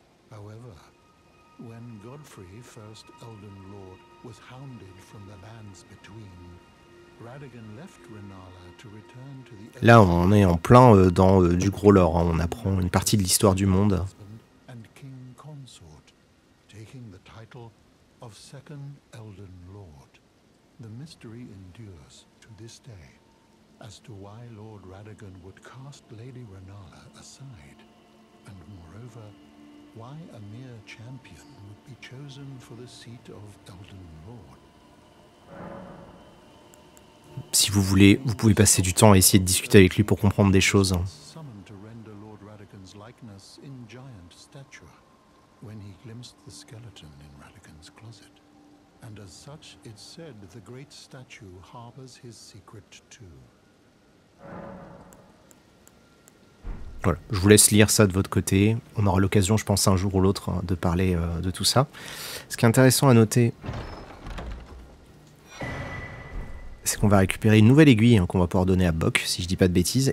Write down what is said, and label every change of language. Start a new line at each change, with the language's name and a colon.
English: However, when Godfrey, first Elden Lord, was hounded from the lands between, Radagon left Rhenala to return to the.
French: Là, on est en plein dans du gros lore. Hein. On apprend une partie de l'histoire du monde.
English: And King Consort, taking the title of second Elden Lord, the mystery endures to this day. As to why Lord Radagon would cast Lady Rhenala aside, and moreover, why a mere champion would be chosen for the seat of Elden Lord.
French: Si vous voulez, vous pouvez passer du temps à essayer de discuter avec lui pour comprendre des choses.
English: Summoned to render Lord Radagon's likeness in giant statue, when he glimpsed the skeleton in Radagon's closet, and as such, it's said the great statue harbors his secret too.
French: Voilà, je vous laisse lire ça de votre côté. On aura l'occasion, je pense, un jour ou l'autre, de parler de tout ça. Ce qui est intéressant à noter, c'est qu'on va récupérer une nouvelle aiguille qu'on va pouvoir donner à Bok, si je dis pas de bêtises.